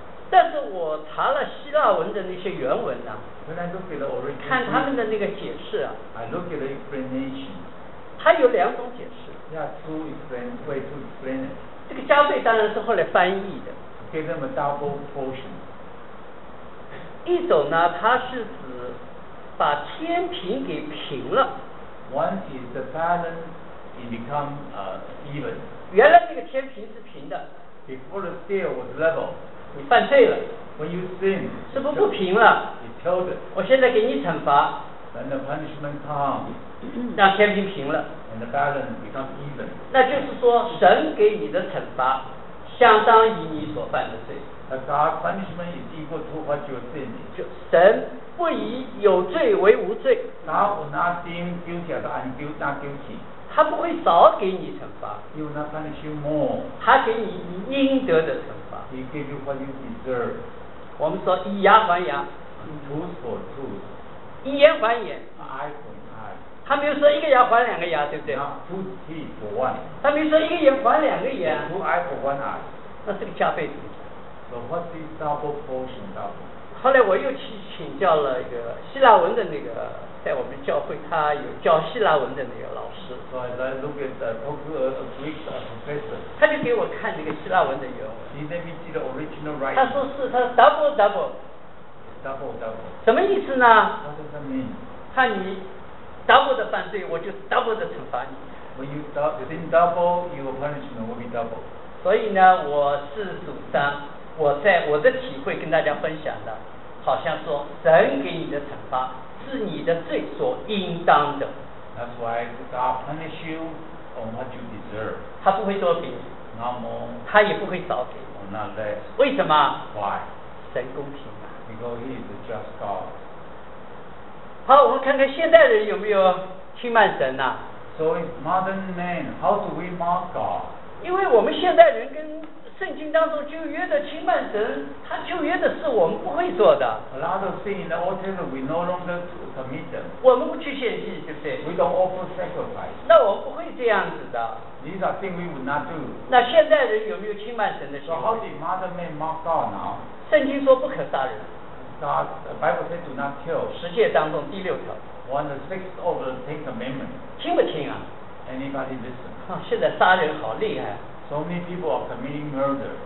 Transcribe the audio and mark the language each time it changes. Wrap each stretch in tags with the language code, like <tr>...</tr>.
<zh>但是我查了希腊文的那些原文呢。</zh> <en>When I look at the original.</en> <zh>看他们的那个解释啊。</zh> <en>I look at the explanation.</en> <zh>它有两种解释。</zh> <en>Yeah, two explain, way to explain it.</en> <zh>这个加倍当然是后来翻译的。</zh> <en>Give them a double portion.</en> <zh>一种呢，它是指把天平给平了。</zh> <en>Once is the balance, it become even.</en> <zh>原来这个天平是平的。</zh> <en>Before the scale was level.</en> <zh>你犯罪了。</zh> <en>When you sin.</en> <zh>是不平了。</zh> <en>It tilted.</en> <zh>我现在给你惩罚。</zh> <en>And the punishment come.</en> <zh>让天平平了。</zh> <en>And the balance become even.</en> <zh>那就是说，神给你的惩罚相当于你所犯的罪。</zh> <en>That God's punishment is equal to what your sin is.</en> <zh>就神不以有罪为无罪。</zh> <en>God will not deem guilty as unguilty, not guilty.</en> <zh>他不会少给你惩罚。</zh> <en>He will not punish you more.</en> <zh>他给你应得的惩罚。</zh> <en>He gives you what you deserve.</en> <zh>我们说以牙还牙。</zh> <en>Tooth for tooth.</en> <zh>以言还言。</zh> <en>I for I.</en> <zh>他没有说一个牙还两个牙，对不对？</zh> <en>Two teeth for one.</en> <zh>他没有说一个眼还两个眼。</zh> <en>Two eye for one eye.</en> <zh>那是个加倍的。</zh> <en>So what's this double portion double?</en> <zh>后来我又去请教了一个希腊文的那个，在我们教会他有教希腊文的那个老师。</zh> <en>So I look at the Greek professor.</en> <zh>他就给我看那个希腊文的原文。</zh> <en>He let me see the original writing.</en> <zh>他说是他</zh> <en>double double. Double, double.</en> <zh>什么意思呢？</zh> <en>What does that mean?</en> <zh>看你 double 的犯罪，我就 double 的惩罚你。</zh> <en>When you within double, your punishment will be double.</en> <zh>所以呢，我是主张，我在我的体会跟大家分享的，好像说神给你的惩罚是你的罪所应当的。</zh> <en>That's why God punish you on what you deserve.</en> <zh>他不会多给你。</zh> <en>Not more.</en> <zh>他也不会少给。</zh> <en>Or not less.</en> <zh>为什么？</zh> <en>Why?</en> <zh>神公平。</zh> <en>Because he is a just God.</en> <zh>好，我们看看现代人有没有轻慢神呐、啊、</zh> <en>？So in modern man, how do we mock God?</en> <zh>因为我们现代人跟圣经当中旧约的轻慢神，他旧约的事我们不会做的。</zh> <en>A lot of things in the Old Testament we no longer commit them.</en> <zh>我们不去献祭，对不对</zh> <en>？We don't offer sacrifice.</en> <zh>那我们不会这样子的。</zh> <en>These are things we would not do.</en> <zh>那现代人有没有轻慢神的行为</zh> <en>？So how do modern man mock God now?</en> <zh>圣经说不可杀人。</zh> <en>God, Bible says do not kill.</en> <zh>十诫当中第六条。</zh> <en>one the sixth of the Ten Commandments.</en> <zh>听不听啊？</zh> <en>Anybody listen?</en> <zh>啊，现在杀人好厉害。</zh> <en>So many people are committing murder.</en>